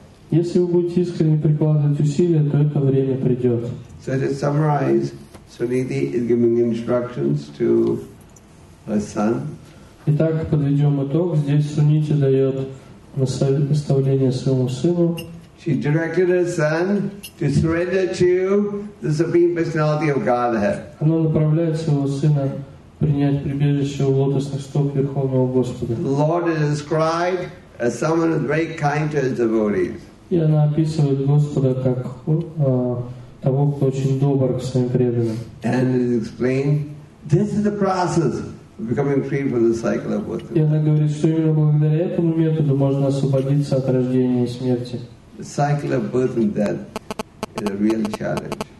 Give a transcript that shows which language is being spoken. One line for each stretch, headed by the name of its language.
Russian: Если вы будете искренне прикладывать усилия, то это время придет.
English: So to summarize, Suniti is giving instructions to her son.
Russian: Итак, подведем итог. Здесь Сунити дает наставление своему сыну.
English: She directed her son to surrender to the Supreme Personality of Godhead.
Russian: Она направляет своего сына принять прибежище у лотосных стоп Верховного Господа.
English: The Lord is described as someone who is very kind to his devotees.
Russian: И она описывает Господа как того, кто очень добр к своим преданным.
English: And it is explained, this is the process of becoming free from the cycle of birth.
Russian: И она говорит, что именно благодаря этому методу можно освободиться от рождения и смерти.
English: The cycle of birth and death is a real challenge.